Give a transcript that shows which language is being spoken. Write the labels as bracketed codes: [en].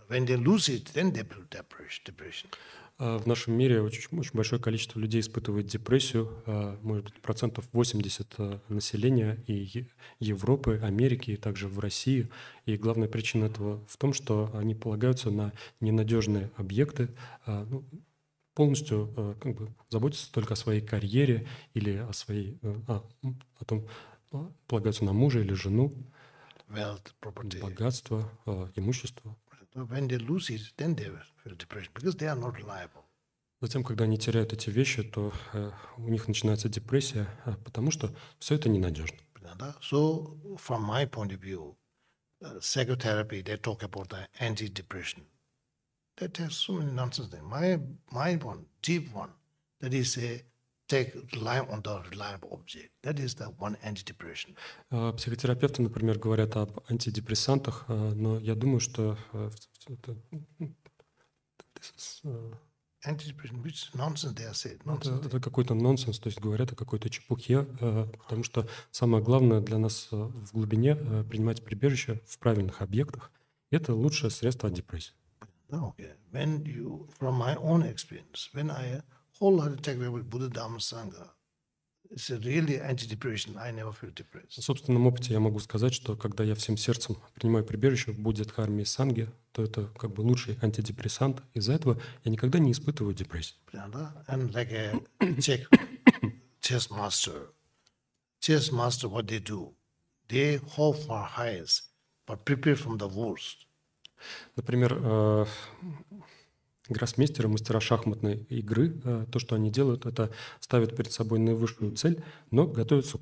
[en] When they lose it, then they feel depression. [ru] В нашем мире очень, очень большое количество людей испытывает депрессию, может быть, процентов 80 населения и Европы, Америки, и также в России. И главная причина этого в том, что они полагаются на ненадежные объекты, ну, полностью как бы заботятся только о своей карьере или о своей, о том, полагаются на мужа или жену, [en] wealth, property, [ru] богатство, имущество. [en] When they lose it, then they feel depression because they are not reliable. [ru] Затем, когда они теряют эти вещи, то у них начинается депрессия, потому что все это ненадежно. [en] So, from my point of view, psychotherapy, they talk about the anti-depression. That has so many nonsense things. My one, deep one, that is a take rely on the reliable object. That is the one anti-depression. [ru] Психотерапевты, например, говорят об антидепрессантах, но я думаю, что это [en] anti-depression, which nonsense they are said. Nonsense. [ru] Это какой-то нонсенс, то есть говорят о какой-то чепухе, потому что самое главное для нас в глубине принимать прибежище в правильных объектах. Это лучшее средство от депрессии. [en] Okay. When you, from my own experience, when I wholeheartedly take away with Buddha, Dhamma, Sangha. It's a really anti-depression. I never feel depressed. [ru] В собственном опыте я могу сказать, что когда я всем сердцем принимаю прибежище в Будде, Дхарме и Санге, то это как бы лучший антидепрессант. Из-за этого я никогда не испытываю депрессии. [en] Yeah, да? And like a chess master. Chess master, what they do? They hope for highest, but prepare from the worst. [ru] Например, гроссмейстеры, мастера шахматной игры, то, что они делают, это ставят перед собой наивысшую цель, но готовятся к